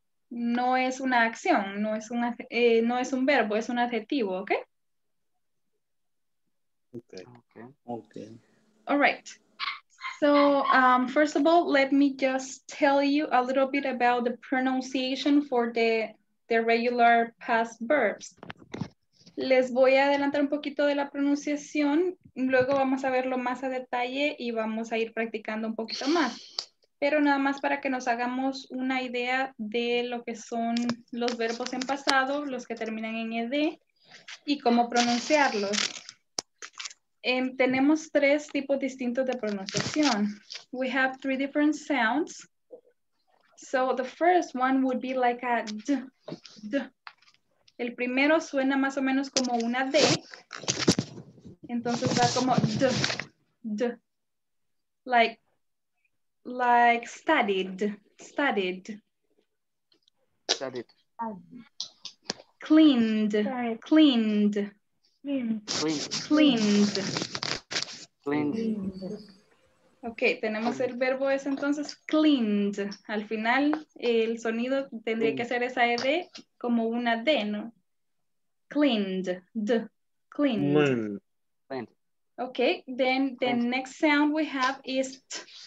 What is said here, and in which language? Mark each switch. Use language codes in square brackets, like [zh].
[es] No es una acción, no es un verbo, es un adjetivo, okay? [en] Okay. Okay. All right. So, first of all, let me just tell you a little bit about the pronunciation for the regular past verbs. [es] Les voy a adelantar un poquito de la pronunciación. Luego vamos a verlo más a detalle y vamos a ir practicando un poquito más. Pero nada más para que nos hagamos una idea de lo que son los verbos en pasado, los que terminan en ed, y cómo pronunciarlos. Tenemos tres tipos distintos de pronunciación. [en] We have three different sounds. So the first one would be like a d, d. [es] El primero suena más o menos como una D. Entonces va como d, d. [en] Like studied, studied. Studied. Cleaned, cleaned. Cleaned. Cleaned. Cleaned. [es] Okay, tenemos el verbo es entonces cleaned. Al final, el sonido tendría que ser esa ed como una d, ¿no? [en] Cleaned. D. Cleaned. Cleaned. Okay, then the next sound we have is t.